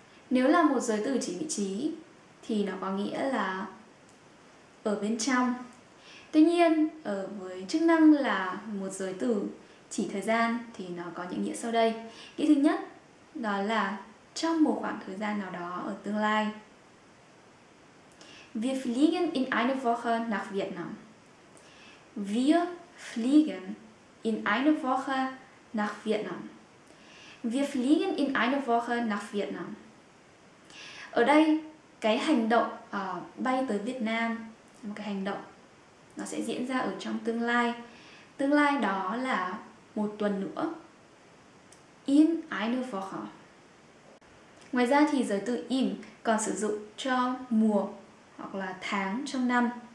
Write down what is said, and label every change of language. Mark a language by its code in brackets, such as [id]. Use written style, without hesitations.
[vi] Nếu là một giới từ chỉ vị trí thì nó có nghĩa là ở bên trong. Tuy nhiên, ở với chức năng là một giới từ chỉ thời gian thì nó có những nghĩa sau đây. Nghĩa thứ nhất đó là trong một khoảng thời gian nào đó ở tương lai. [de] Wir fliegen in eine Woche nach Vietnam. Wir fliegen in eine Woche nach Vietnam. Wir fliegen in eine Woche nach Vietnam. [vi] Ở đây cái hành động bay tới Việt Nam, một cái hành động nó sẽ diễn ra ở trong tương lai. Tương lai đó là một tuần nữa. [de] In eine Woche. [vi] Ngoài ra thì giới từ in còn sử dụng cho mùa hoặc là tháng trong năm.